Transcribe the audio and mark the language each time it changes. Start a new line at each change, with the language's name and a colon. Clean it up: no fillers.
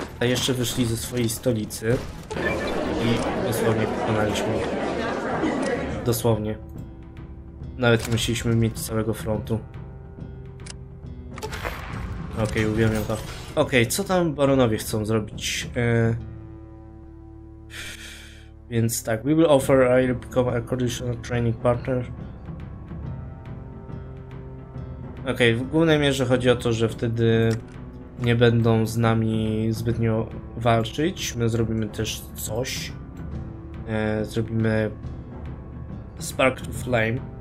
Polish: A jeszcze wyszli ze swojej stolicy i dosłownie pokonaliśmy. Dosłownie. Nawet nie musieliśmy mieć całego frontu. Okej, okay, uwielbiam to. Okej, okay, co tam baronowie chcą zrobić? Więc tak,
English: we will offer Air Become a conditional training partner.
Polish: Okej, okay, w głównej mierze chodzi o to, że wtedy nie będą z nami zbytnio walczyć. My zrobimy też coś. Zrobimy Spark to Flame.